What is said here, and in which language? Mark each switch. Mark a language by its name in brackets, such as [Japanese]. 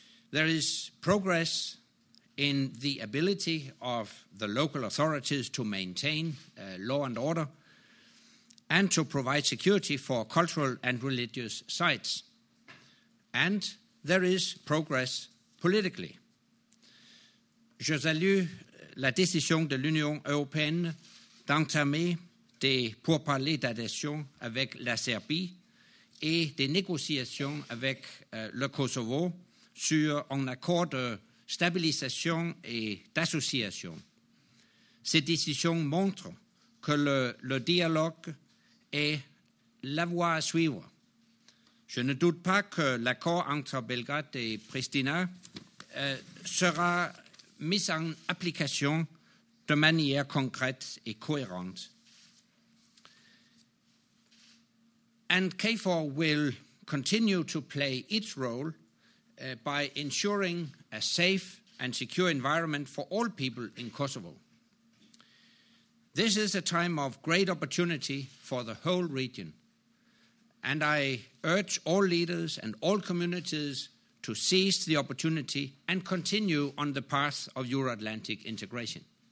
[English] There is progress in the ability of the local authorities to maintain law and order and to provide security for cultural and religious sites. And there is progress politically. [French] Je salue la décision de l'Union européenne d'entamer des pourparlers d'adhésion avec la Serbie et des négociations avec le Kosovo sur un accord de stabilisation et d'association. Cette décision montre que le dialogue est la voie à suivre. Je ne doute pas que l'accord entre Belgrade et Pristina sera mise en application de manière concrète et cohérente. [English] And KFOR will continue to play its role by ensuring a safe and secure environment for all people in Kosovo. This is a time of great opportunity for the whole region, and I urge all leaders and all communities to seize the opportunity and continue on the path of Euro-Atlantic integration.